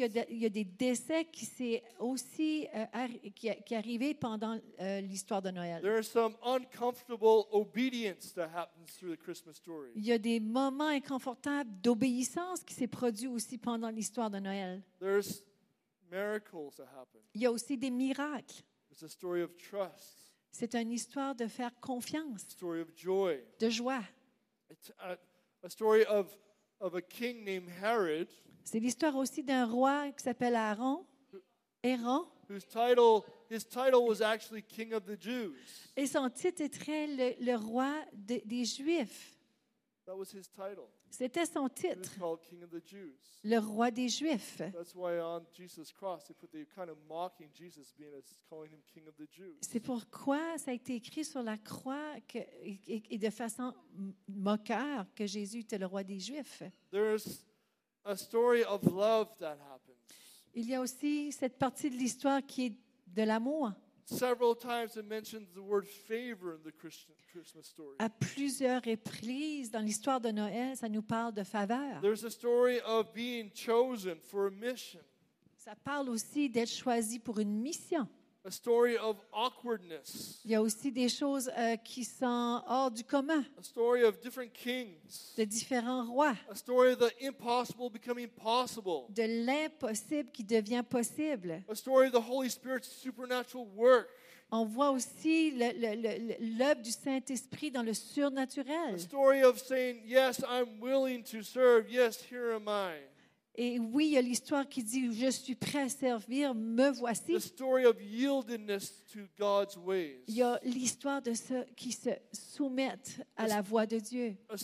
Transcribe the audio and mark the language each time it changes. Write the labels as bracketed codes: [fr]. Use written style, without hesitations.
[fr] Il y a des décès qui s'est aussi qui arrivé pendant l'histoire de Noël. [en] There are some uncomfortable obedience that happens through the Christmas story. [fr] Il y a des moments inconfortables d'obéissance qui s'est produit aussi pendant l'histoire de Noël. [en] There's miracles that happen. [fr] Il y a aussi des miracles. [en] It's a story of trust. [fr] C'est une histoire de faire confiance. [en] A story of joy. [fr] De joie. [en] It's a story of a king named Herod. [fr] C'est l'histoire aussi d'un roi qui s'appelle Aaron, Héron. [en] His title was actually King of the Jews. [fr] Et son titre était le roi des Juifs. [en] That was his title. [fr] C'était son titre. [en] He was called King of the Jews. [fr] Le roi des Juifs. [en] That's why on Jesus' cross they put the kind of mocking Jesus, being as calling him King of the Jews. [fr] C'est pourquoi ça a été écrit sur la croix et de façon moqueur que Jésus était le roi des Juifs. [en] There's a story of love that happens. [fr] Il y a aussi cette partie de l'histoire qui est de l'amour. [en] several times it mentions the word favor in the Christmas story. [fr] À plusieurs reprises dans l'histoire de Noël, ça nous parle de faveur. [en] There's a story of being chosen for a mission. [fr] Ça parle aussi d'être choisi pour une mission. [en] A story of awkwardness. [fr] Il y a aussi des choses qui sont hors du commun. [en] A story of different kings. [fr] De différents rois. [en] A story of the impossible becoming possible. [fr] De l'impossible qui devient possible. [en] A story of the Holy Spirit's supernatural work. [fr] On voit aussi l'œuvre du Saint-Esprit dans le surnaturel. [en] A story of saying, yes, I'm willing to serve. Yes, here am I. [fr] Et oui, il y a l'histoire qui dit « Je suis prêt à servir, me voici ». Il y a l'histoire de ceux qui se soumettent à la voix de Dieu.